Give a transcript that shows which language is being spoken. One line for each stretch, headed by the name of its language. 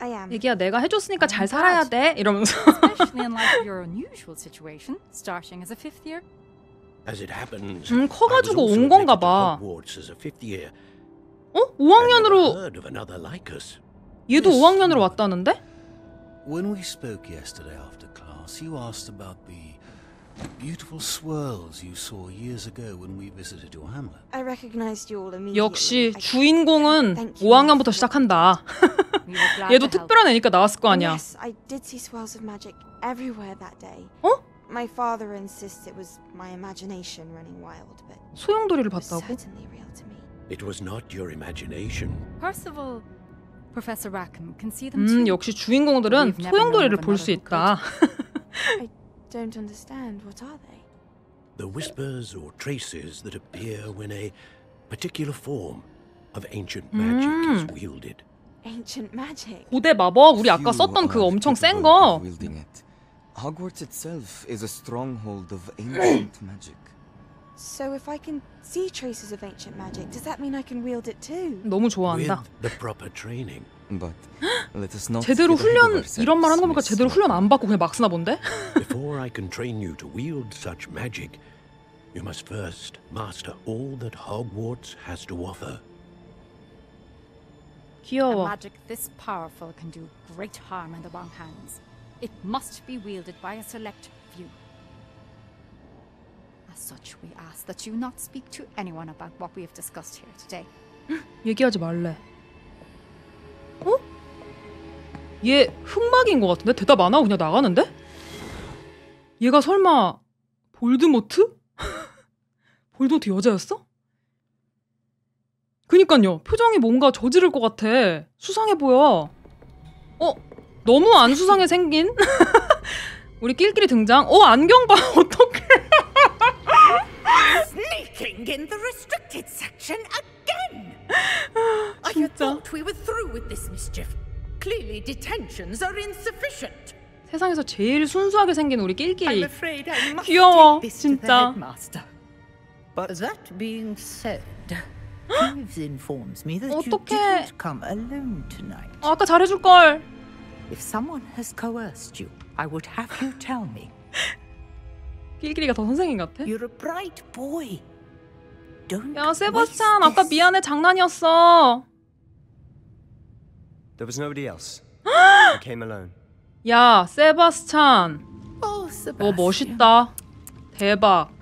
Korean: 애기야 내가 해줬으니까 잘 살아야 돼 이러면서.
English: Especially in light of your unusual situation, starting as a fifth year. As it happens,
Korean: 커가지고 온 건가 봐. 어? 5학년으로 얘도 5학년으로 왔다는데?
English: When we spoke yesterday after class, you asked about the beautiful swirls you saw years ago when we visited your hamlet. I recognized you all immediately.
Korean: 역시 주인공은 5학년부터 시작한다. 얘도 특별한 애니까 나왔을 거 아니야.
English: Yes, I did see swirls of magic everywhere that day.
Korean: 어?
English: My father insists it was my imagination running wild, but
Korean: 소용돌이를 봤다고?
English: It was not your imagination. Percival, Professor Rackham can see them too.
Korean: 역시 주인공들은 소용돌이를 볼 수 있다.
English: I don't understand. What are they? The whispers or traces that appear when a particular form of ancient magic is wielded. Ancient magic.
Korean: 고대 마법 우리 아까 썼던 그 엄청 센 거.
English: Wielding it. Hogwarts itself is a stronghold of ancient magic. So if I can see traces of ancient magic, does that mean I can wield it too?
Korean: 너무 좋아한다.
English: With the proper training. But let us not.
Korean: 제대로 훈련 이런 말 하는 겁니까? 제대로 훈련 안 받고 그냥 막 쓰나 본데?
English: Before I can train you to wield such magic, you must first master all that Hogwarts has to offer.
Korean: 귀여워.
English: A magic this powerful can do great harm in the wrong hands. It must be wielded by a select few. Such we ask that you not speak to anyone about what we have discussed here today.
Korean: 얘기하지 말래. 어? 얘 흑막인 것 같은데 대답 안 하고 그냥 나가는데? 얘가 설마 볼드모트? 볼드모트 여자였어? 그니까요. 표정이 뭔가 저지를 것 같아. 수상해 보여. 어? 너무 안수상해 생긴 우리 낄끼리 등장. 어, 안경 봐. 어떡해.
English: Sneaking in the restricted section again. I thought we were through with this mischief. Clearly detentions are insufficient.
Korean: 세상에서 제일 순수하게 생긴 우리 낄끼리. 귀여워 진짜.
English: But that being said, Peeves informs me that
Korean: 어떡해.
English: You didn't come alone tonight.
Korean: 아까 잘해줄 걸.
English: If someone has coerced you, I would have you tell me.
Korean: 낄끼리가 더 선생님 같아.
English: You're a bright boy. Don't.
Korean: 야 세바스찬, 아까 미안해 장난이었어.
English: There was nobody else. I came alone.
Korean: 야 세바스찬.
English: Oh, Sebastian.
Korean: 너 멋있다. 대박.